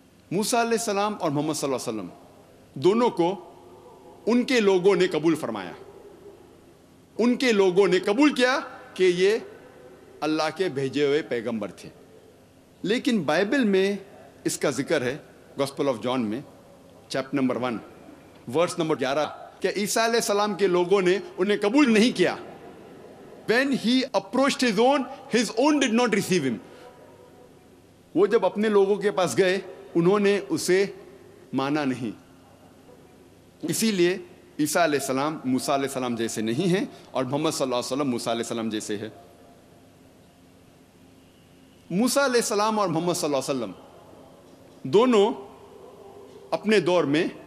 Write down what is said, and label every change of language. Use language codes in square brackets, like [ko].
[ur] موسیٰ علیہ السلام اور محمد صلی اللہ علیہ وسلم دونوں کو ان کے لوگوں نے قبول فرمایا، ان کے لوگوں نے قبول کیا کہ یہ اللہ کے بھیجے ہوئے پیغمبر تھے. لیکن بائبل میں اس کا ذکر ہے گاسپل آف جان میں چیپٹر نمبر 1 ورس نمبر 11 کہ عیسیٰ علیہ السلام کے لوگوں نے انہیں قبول نہیں کیا. [en] When he approached his own did not receive him. [ur] وہ جب اپنے لوگوں کے پاس گئے انہوں نے اسے مانا نہیں. اسی لیے عیسیٰ علیہ السلام موسیٰ علیہ السلام جیسے نہیں ہیں اور محمد صلی اللہ علیہ وسلم موسیٰ علیہ السلام جیسے ہیں. موسیٰ علیہ السلام اور محمد صلی اللہ علیہ وسلم دونوں اپنے دور میں